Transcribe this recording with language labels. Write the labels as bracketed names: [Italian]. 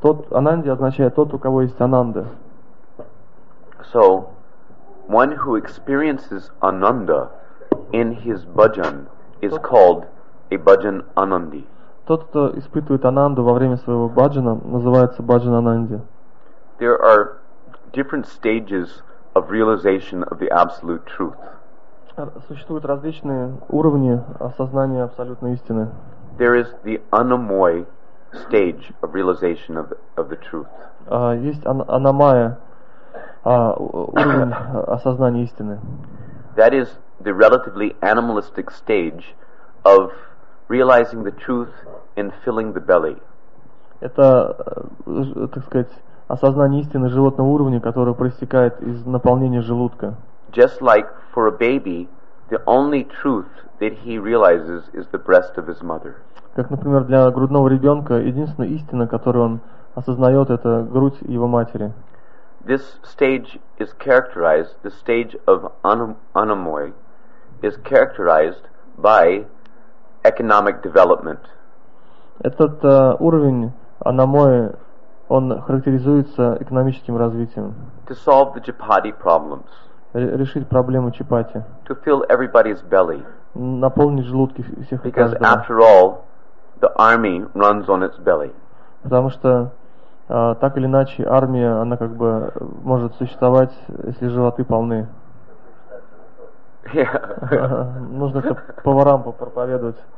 [Russian] Ананди означает тот, у кого есть Ананда. [English] So, one who experiences Ананда in his bhajan is called a bhajan Anandi. [Russian] Тот, кто испытывает ананду во время своего бхаджана, называется бхаджан ананди. [English] There are different stages of realization of the absolute truth. [Russian] Существуют различные уровни осознания абсолютной истины. [English] There is the anamoy stage of realization of the truth. [Russian] Есть анамая, уровень осознания истины. [English] That is the relatively animalistic stage of realizing the truth and filling the belly. [Russian] Это, так сказать, осознание истины животного уровня, которое проистекает из наполнения желудка. [English] Just like for a baby, the only truth that he realizes is the breast of his mother. [Russian] Как, например, для грудного ребенка единственная истина, которую он осознает, это грудь его матери. [English] This stage is characterized, the stage of anamoy, is characterized by economic development. [Russian] Этот уровень анамоя, он характеризуется экономическим развитием. [English] To solve the chapati problems. [Russian] Решить проблему чапати. [English] To fill everybody's belly. [Russian] Наполнить желудки всех и каждого. [English] Because after all, the army runs on its belly. [Russian] Потому что так или иначе армия, она как бы может существовать, если животы полны. [English] Yeah. [Russian] Нужно это поварам попроповедовать.